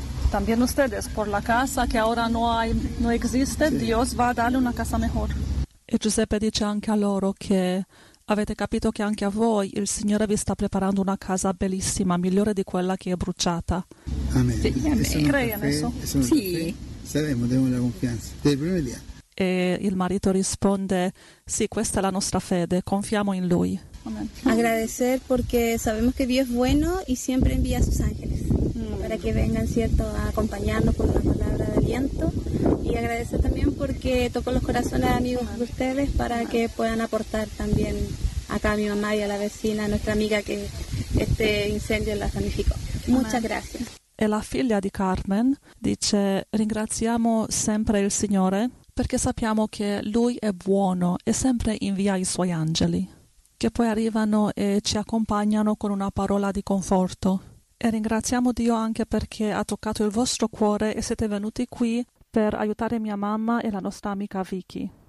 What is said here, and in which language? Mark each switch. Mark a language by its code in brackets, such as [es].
[es] También ustedes, por la casa que ahora no existe, sí. Dios va a darle una casa mejor. [it] E Giuseppe dice anche a loro che avete capito che anche a voi il Signore vi sta preparando una casa bellissima, migliore di quella che è bruciata. Amen. Sì, amen. Crea adesso. Sì. Saremo, abbiamo la confianza. Del primo dia. E il marito risponde, sì, questa è la nostra fede, confiamo in Lui. Amen. [es] Agradecer porque sabemos que Dios es bueno y siempre envía a sus ángeles. Para que vengan, cierto, a acompañarnos con una palabra de aliento. Y agradecer también porque tocó los corazones de amigos de ustedes para que puedan aportar también acá a mi mamá y a la vecina, a nuestra amiga que este incendio la damnificó. Muchas gracias. [it] E la figlia di Carmen dice, ringraziamo sempre il Signore perché sappiamo che Lui è buono e sempre invia i suoi angeli, che poi arrivano e ci accompagnano con una parola di conforto. E ringraziamo Dio anche perché ha toccato il vostro cuore e siete venuti qui per aiutare mia mamma e la nostra amica Vicky.